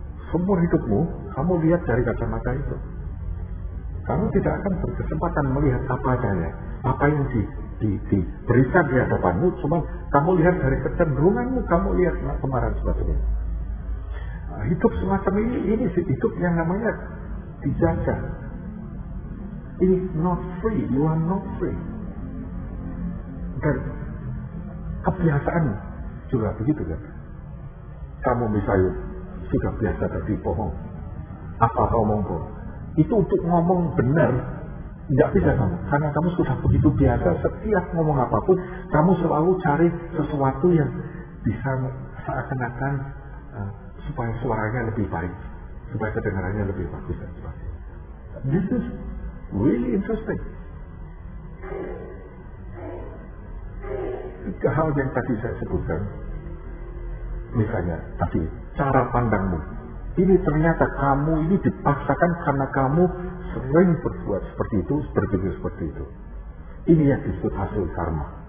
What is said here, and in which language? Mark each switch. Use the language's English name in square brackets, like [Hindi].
[Indonesian] Semua hidupmu kamu lihat dari kacamata itu. Kamu tidak akan berkesempatan melihat apa adanya, apa yang diberikan di hadapanmu, cuma kamu lihat dari kecenderunganmu, kamu lihat kemarahan sebagainya. Hidup semacam ini sih hidup yang namanya dijaga. [English] It is not free, you are not free. [Indonesian] Dan kebiasaan juga begitu kan. Kamu misalnya sudah biasa tadi bohong. Apa-apa omong bohong. Itu untuk ngomong benar, tidak bisa kamu. Karena kamu sudah begitu biasa, setiap ngomong apapun, kamu selalu cari sesuatu yang bisa seakan-akan supaya suaranya lebih baik. Supaya kedengarannya lebih bagus. [English] This is really interesting. [Indonesian] Hal yang tadi saya sebutkan, misalnya tadi cara pandangmu, ini ternyata kamu ini dipaksakan karena kamu sering berbuat seperti itu, berpikir seperti itu. Ini yang disebut hasil karma.